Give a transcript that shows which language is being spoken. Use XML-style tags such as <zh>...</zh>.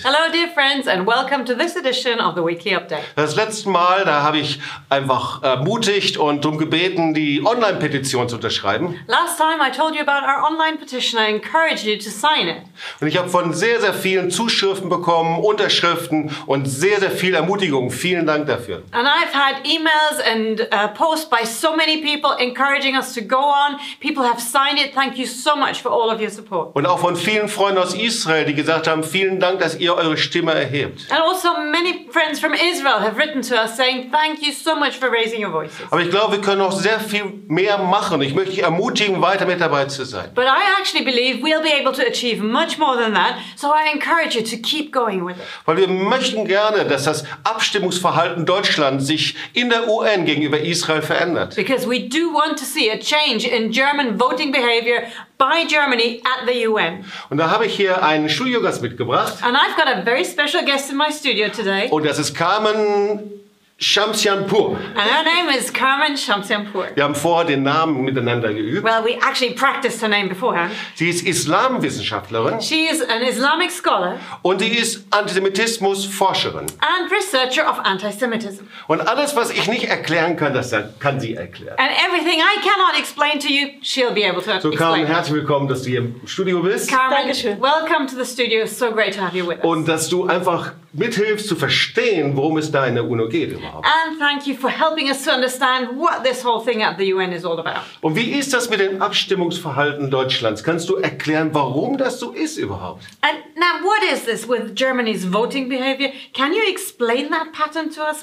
<en>Hello dear friends and welcome to this edition of the Weekly Update.</en> <de>Das letzte Mal, da habe ich einfach ermutigt und darum gebeten, die Online-Petition zu unterschreiben.</de> <en>Last time I told you about our online petition, I encouraged you to sign it.</en> <de>Und ich habe von sehr, sehr vielen Zuschriften bekommen, Unterschriften und sehr, sehr viel Ermutigung. Vielen Dank dafür.</de> <en>And I've had emails and posts by so many people encouraging us to go on. People have signed it. Thank you so much for all of your support.</en> <de>Und auch von vielen Freunden aus Israel, die gesagt haben, vielen Dank, dass ihr eure Stimme erhebt.</de> <en>And also many friends from Israel have written to us saying, thank you so much for raising your voices.</en> <de>Aber ich glaube, wir können noch sehr viel mehr machen. Ich möchte dich ermutigen, weiter mit dabei zu sein.</de> <en>But I actually believe we'll be able to achieve much more than that, so I encourage you to keep going with it.</en> <de>Weil wir möchten gerne, dass das Abstimmungsverhalten Deutschlands sich in der UN gegenüber Israel verändert.</de> <en>Because we do want to see a change in German voting behavior by Germany at the UN.</en> <de>Und da habe ich hier einen Studiogast mitgebracht.</de> <en>And I've got a very special guest in my studio today.</en> <de>Und das ist Carmen Shamsianpour.</de> <en>And her name is Carmen Shamsianpour.</en> <de>Wir haben vorher den Namen miteinander geübt.</de> <en>Well, we actually practiced her name beforehand.</en> <de>Sie ist Islamwissenschaftlerin.</de> <en>She is an Islamic scholar.</en> <de>Und sie ist Antisemitismusforscherin.</de> <en>And researcher of antisemitism.</en> <de>Und alles, was ich nicht erklären kann, das kann sie erklären.</de> <en>And everything I cannot explain to you, she'll be able to explain.</en> <de>So Carmen, herzlich willkommen, dass du hier im Studio bist.</de> <en>Carmen,</en> <de>Dankeschön.</de> <en>Welcome to the studio. It's so great to have you with us.</en> <de>Und dass du einfach mithilfst zu verstehen, worum es da in der UNO geht.</de> <en>And thank you for helping us to understand what this whole thing at the UN is all about.</en> <de>Und wie ist das mit dem Abstimmungsverhalten Deutschlands? Kannst du erklären, warum das so ist überhaupt?</de> <en>And now, what is this with Germany's voting behavior? Can you explain that pattern to us?</en>